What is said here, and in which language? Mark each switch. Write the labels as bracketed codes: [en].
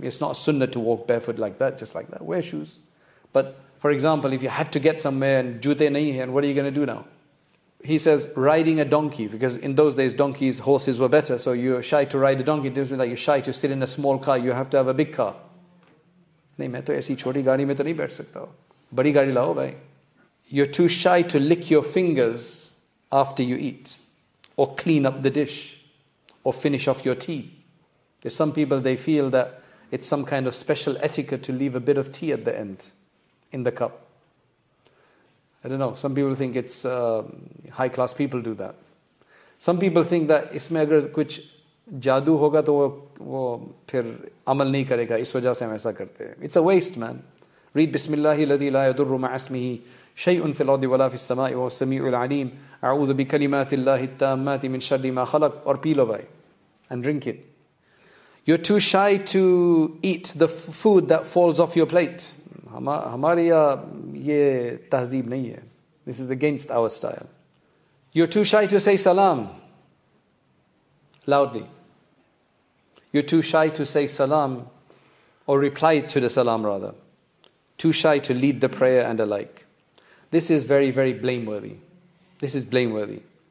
[en] It's not a sunnah to walk barefoot like that, just like that. Wear shoes. But for example, if you had to get somewhere and [ur] jute nahi hai, [en] and what are you going to do now? He says, riding a donkey, because in those days, donkeys, horses were better. So you're shy to ride a donkey. It doesn't mean like you're shy to sit in a small car. You have to have a big car. [ur] نہیں، میں تو ایسی چھوٹی گاڑی میں تو نہیں بیٹھ سکتا۔ بڑی گاڑی لاؤ، بھائی۔ [en] You're too shy to lick your fingers after you eat. Or clean up the dish, or finish off your tea. There's some people, they feel that it's some kind of special etiquette to leave a bit of tea at the end, in the cup. I don't know, some people think it's high class people do that. Some people think that [ur] اسمیں اگر کچھ جادو ہوگا تو وہ پھر عمل نہیں کرے گا، اس وجہ سے ہم ایسا کرتے ہیں۔ [en] It's a waste, man. Read [ar] Bismillahi ladhi la yadurru ma'asmihi. شَيْءٌ فِي الْأَرْضِ وَلَا فِي السَّمَاءِ وَهُوَ السَّمِيعُ الْعَلِيمُ أَعُوذُ بِكَلِمَاتِ اللَّهِ التَّامَّاتِ مِنْ شَرِّ مَا خَلَقَ. [en] Or peel away and drink it. You're too shy to eat the food that falls off your plate. [ur] ہماریا یہ تہذیب نہیں ہے۔ [en] This is against our style. You're too shy to say salam loudly. You're too shy to say salam or reply to the salam rather. Too shy to lead the prayer and the like. This is very, very blameworthy. This is blameworthy.